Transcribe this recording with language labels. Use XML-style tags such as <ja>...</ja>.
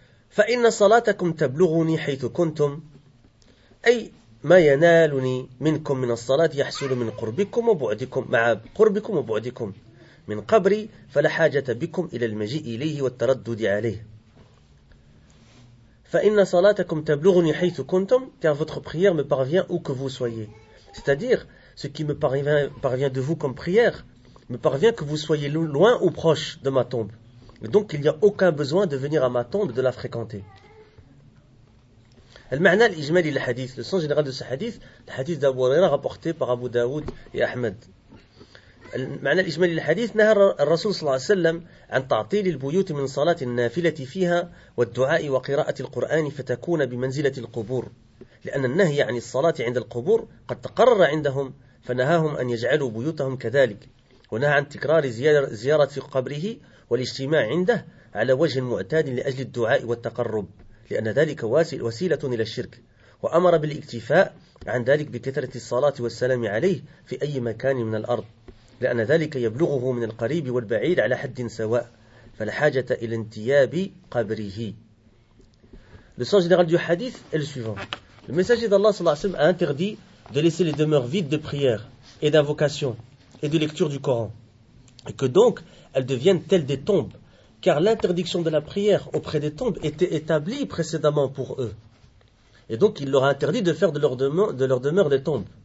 <ar>فَإِنَّ صَلَاتَكُمْ تَبْلُغُونِ حَيْثُ كُنْتُمْ أي مَا يَنَالُنِي مِنْكُمْ مِنَ الصَّلَاتِ يَحْسُلُ مِنْ قُرْبِكُمْ وَبُعْدِكُمْ مَعَ قُرْبِكُمْ وَبُعْدِكُمْ مِنْ قَبْرِي فَلَا حَاجَةَ بِكُمْ إِلَى الْمَجِيءِ إِلَيْهِ وَالتَّرَدُّدِ عَلَيْهِ فَإِنَّ صَلَاتَكُمْ تَبْلُغُنِي حَيْثُ كُنْتُمْ</ar> <fr>car votre prière me parvient où que vous soyez. C'est-à-dire, ce qui me parvient de vous comme prière me parvient que vous soyez loin ou proche de ma tombe. Et donc, il n'y a aucun besoin de venir à ma tombe, de la fréquenter.</fr> <ar>المعنى الإجمالي للحديث,</ar> <fr>le sens général de ce hadith, le hadith d'Abu Huraira rapporté par Abu Daoud et Ahmed.</fr> <ar>المعنى الإجمالي للحديث نهى الرسول صلى الله عليه وسلم عن تعطيل البيوت من صلاة النافلة فيها والدعاء وقراءة القرآن فتكون بمنزلة القبور لأن النهي عن الصلاة عند القبور قد تقرر عندهم فنهاهم أن يجعلوا بيوتهم كذلك ونهى عن تكرار زيارة قبره والاجتماع عنده على وجه معتاد لأجل الدعاء والتقرب لأن ذلك وسيلة إلى الشرك وأمر بالاكتفاء عن ذلك بكثرة الصلاة والسلام عليه في أي مكان من الأرض لأن ذلك يبلغه من القريب والبعيد على حد سواء فلا حاجة إلى انتياب قبره.</ar> <fr>Le sens général du hadith est le suivant. Le messager d'Allah</fr> <ar>صلى الله عليه وسلم</ar> <fr>a interdit de laisser les demeures vides de prières et d'invocations et de lecture du Coran et que donc elles deviennent telles des tombes car l'interdiction de la prière auprès des tombes était établie précédemment pour eux et donc il leur a interdit de faire de leur demeure des tombes.</fr>